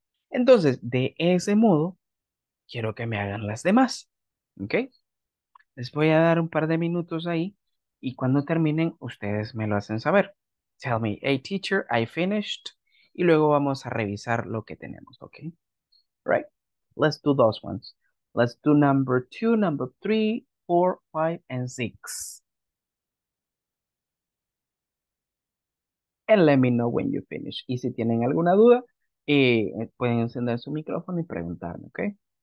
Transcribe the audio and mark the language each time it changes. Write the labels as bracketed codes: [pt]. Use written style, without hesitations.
[es] Entonces, de ese modo, quiero que me hagan las demás. ¿Ok? Les voy a dar un par de minutos ahí. Y cuando terminen, ustedes me lo hacen saber. [en] Tell me, hey teacher, I finished. [es] Y luego vamos a revisar lo que tenemos. [en] ¿Ok? Right. Let's do those ones. Let's do number two, number three, four, five, and six. And let me know when you finish. [es] Y si tienen alguna duda, pueden encender su micrófono y preguntarme, ¿ok?